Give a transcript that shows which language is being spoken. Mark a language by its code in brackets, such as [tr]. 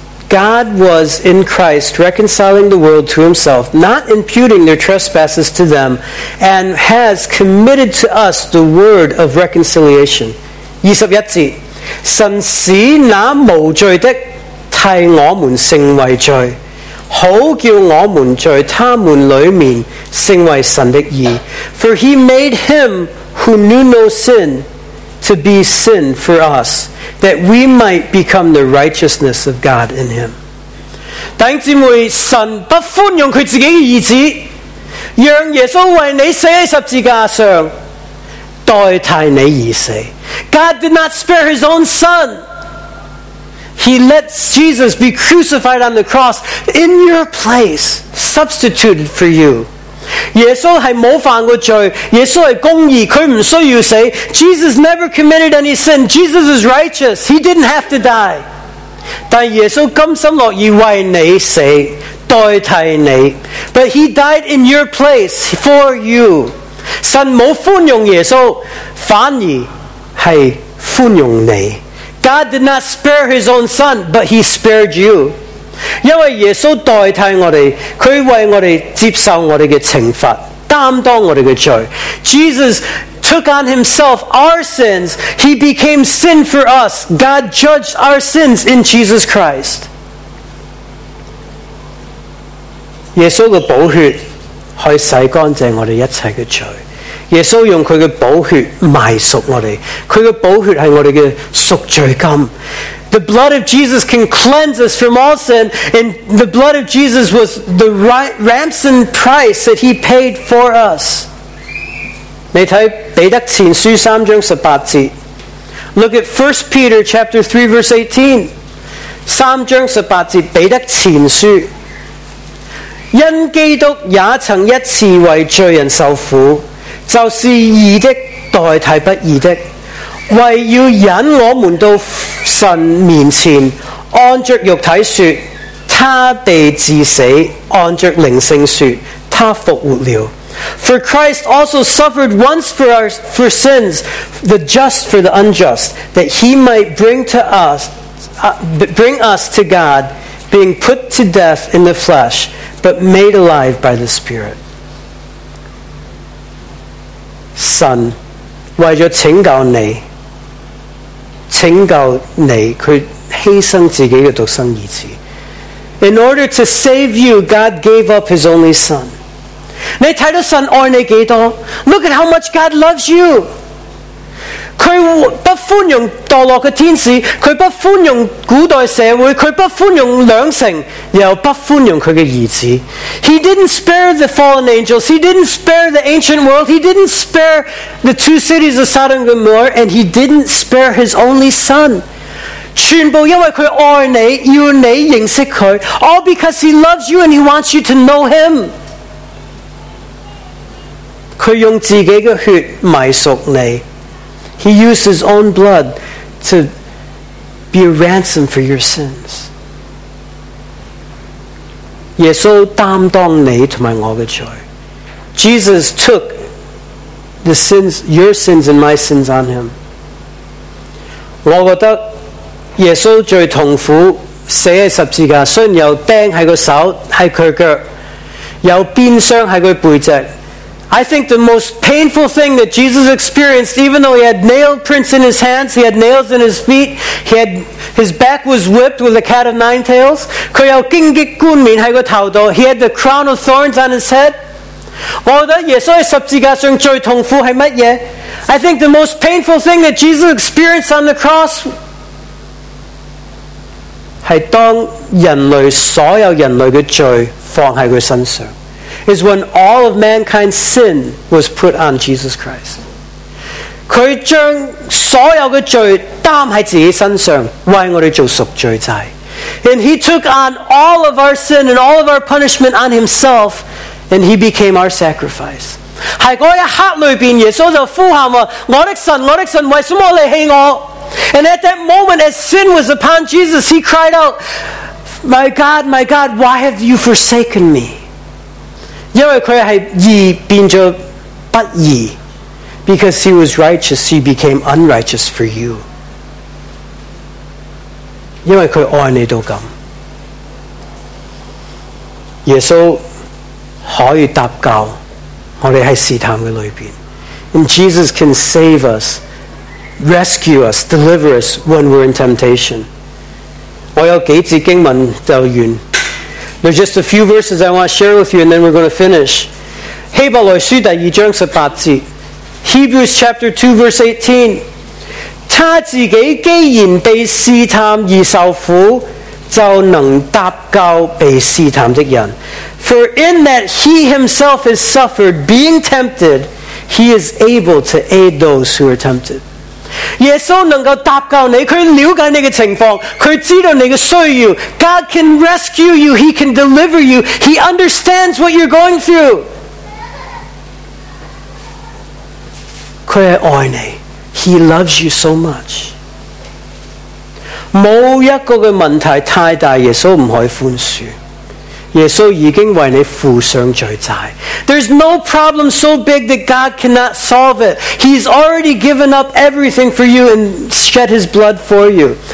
[en] God was in Christ reconciling the world to himself, not imputing their trespasses to them, and has committed to us the word of reconciliation. [zh] 21节，神使那无罪的替我们成为罪，好叫我们在他们里面成为神的义。 [en] For he made him who knew no sin to be sin for us. That we might become the righteousness of God in Him. [zh] 弟兄姊妹，神不宽容祂自己的儿子，让耶稣为你死在十字架上，代替你而死。 [en] God did not spare His own Son. He let Jesus be crucified on the cross in your place, substituted for you. [zh] 耶稣是没有犯过罪，耶稣是公义，祂不需要死。 [en] Jesus never committed any sin. Jesus is righteous. He didn't have to die. [zh] 但耶稣甘心乐意为你死，代替你。 [en] But he died in your place for you. [zh] 神没有宽容耶稣，反而是宽容你。 [en] God did not spare his own son, but he spared you. [zh] 因为耶稣代替我们，他为我们接受我们的惩罚，担当我们的罪。 [en] Jesus took on himself our sins, he became sin for us. God judged our sins in Jesus Christ. [zh] 耶稣的宝血可以洗干净我们一切的罪，耶稣用他的宝血买赎我们，他的宝血是我们的赎罪金。 [en] The blood of Jesus can cleanse us from all sin, and the blood of Jesus was the ransom price that he paid for us. [zh] 你看彼得前书三章十八节， [en] Look at 1 Peter chapter 3 verse 18. [zh] 三章十八节彼得前书，因基督也曾一次为罪人受苦，就是义的代替不义的，为要引我们到神面前，按着肉体说他被治死，按着灵性说他复活了。 [en] For Christ also suffered once for sins, the just for the unjust, that he might bring us to God, being put to death in the flesh, but made alive by the Spirit. [zh] 神为了拯救你，拯救你，他牺牲自己的独生儿子。 [en] In order to save you, God gave up his only son. [zh] 你看到神爱你多少？ [en] Look at how much God loves you. [zh] 他不宽容堕落的天使，他不宽容古代社会，他不宽容两城，又不宽容他的儿子。 [en] He didn't spare the fallen angels, he didn't spare the ancient world, he didn't spare the two cities of Sodom and Gomorrah, and he didn't spare his only son. [zh] 全部因为他爱你，要你认识他， [en] all because he loves you and he wants you to know him. [zh] 他用自己的血买赎你。 [en] He used his own blood to be a ransom for your sins. [zh] 耶稣担当你和我的罪。 [en] Jesus took the sins, your sins and my sins on him. [zh] 我觉得耶稣最痛苦死在十字架，虽然有钉在他手，在他脚，有鞭伤在他背脊。 [en] I think the most painful thing that Jesus experienced, even though he had nail prints in his hands, he had nails in his feet, his back was whipped with a cat of nine tails, [zh] 他有荆棘冠冕在头上， [en] he had the crown of thorns on his head. [zh] 我觉得耶稣在十字架上最痛苦是什么？ [en] I think the most painful thing that Jesus experienced on the cross [zh] 是当人类所有人类的罪放在他身上。 [en] Is when all of mankind's sin was put on Jesus Christ. [zh] 他将所有的罪担在自己身上，为我们做赎罪祭。 [en] And he took on all of our sin and all of our punishment on himself, and he became our sacrifice. [zh] 在那一刻里面，耶稣就呼喊了，我的神，我的神，为什么你弃我？ [en] And at that moment, as sin was upon Jesus, he cried out, my God, why have you forsaken me? [zh] 因为他是义变成不义， [en] because he was righteous, he became unrighteous for you. [zh] 因为他爱你到咁，耶稣可以搭救我们在试探的里面。 [en] And Jesus can save us, rescue us, deliver us when we're in temptation. [zh] 我有几节经文就完。 [en] There's just a few verses I want to share with you, and then we're going to finish. [zh] 希伯来书第二章十八节， [en] Hebrews chapter 2 verse 18. [zh] 他自己既然被试探而受苦，就能搭救被试探的人。 [en] For in that he himself has suffered being tempted, he is able to aid those who are tempted. [zh] 耶稣能够搭救你，他了解你的情况，他知道你的需要。 [en] God can rescue you, he can deliver you, he understands what you're going through. [zh] 他爱你， [en] he loves you so much. [zh] 没有一个问题太大，耶稣不可以宽恕。耶稣已经为你付上罪债。 [en] There's no problem so big that God cannot solve it. He's already given up everything for you and shed his blood for you.